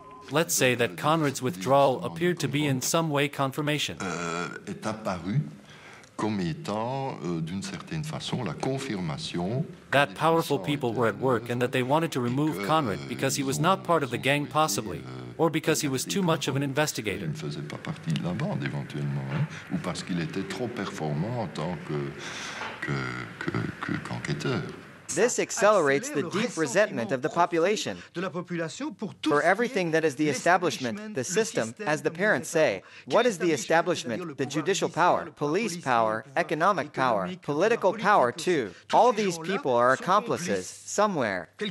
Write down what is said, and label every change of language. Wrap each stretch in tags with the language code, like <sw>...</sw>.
<en>Let's say that Conrad's withdrawal appeared to be in some way confirmation.</en> <fr>comme étant d'une certaine façon la confirmation</fr> <en>that powerful people were at work and that they wanted to remove Conrad because he was not part of the gang possibly or because he was too much of an investigator.</en> <fr>Il ne faisait pas partie de la bande éventuellement ou parce qu'il était trop performant en tant que qu'enquêteur.</fr> <en>This accelerates the deep resentment of the population for everything that is the establishment, the system, as the parents say. What is the establishment? The judicial power, police power, economic power, political power too. All these people are accomplices somewhere.</en>